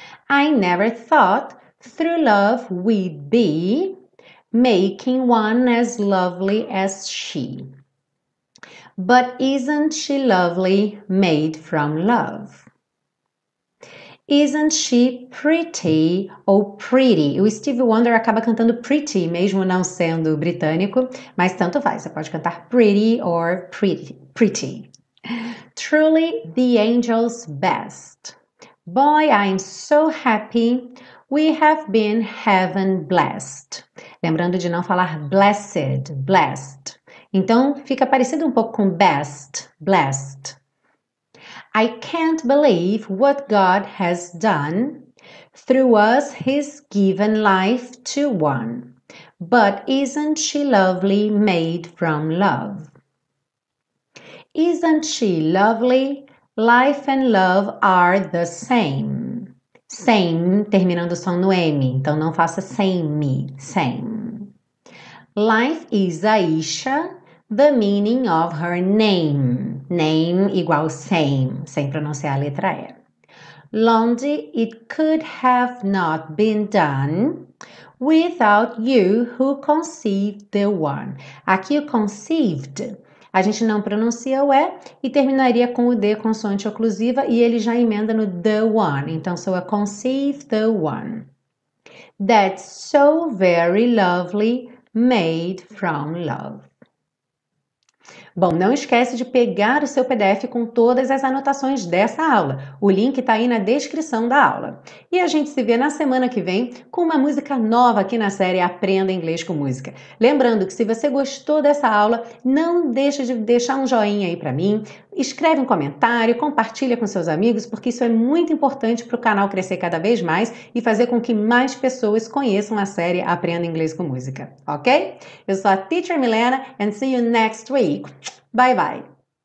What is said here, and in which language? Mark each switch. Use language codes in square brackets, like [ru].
[en] I never thought through love we'd be making one as lovely as she. But isn't she lovely made from love? Isn't she pretty ou pretty? [pt] O Stevie Wonder acaba cantando pretty, mesmo não sendo britânico, mas tanto faz, você pode cantar pretty or pretty. [en] Truly the angel's best. Boy, I'm so happy we have been heaven blessed. [pt] Lembrando de não falar blessed, blessed. Então fica parecido um pouco com best, blessed. [en] I can't believe what God has done. Through us, He's given life to one. But isn't she lovely made from love? Isn't she lovely? Life and love are the same. [pt] Same, terminando o som no M. Então não faça same, same. [en] Life is Aisha. The meaning of her name. [pt] Name igual same, sem pronunciar a letra E. [en] Londi, it could have not been done without you who conceived the one. [pt] Aqui o conceived, a gente não pronuncia o E e terminaria com o D, consoante oclusiva, e ele já emenda no the one. Então, soa [en] conceived the one. That's so very lovely, made from love. [pt] Bom, não esquece de pegar o seu PDF com todas as anotações dessa aula. O link está aí na descrição da aula. E a gente se vê na semana que vem com uma música nova aqui na série Aprenda Inglês com Música. Lembrando que se você gostou dessa aula, não deixe de deixar um joinha aí para mim, escreve um comentário, compartilha com seus amigos, porque isso é muito importante para o canal crescer cada vez mais e fazer com que mais pessoas conheçam a série Aprenda Inglês com Música, ok? Eu sou a Teacher Milena [en] and see you next week. Bye-bye.